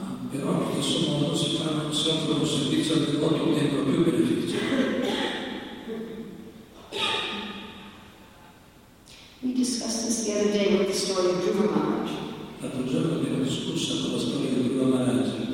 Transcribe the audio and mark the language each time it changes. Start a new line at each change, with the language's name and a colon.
Italian: però allo stesso modo si fanno si offrono servizio al devoto che ha più beneficio.
English: We discussed this the other day with the story of Dhruva Maharaj.
Italian: L'altro giorno abbiamo discusso con la storia di Dhruva Maharaj.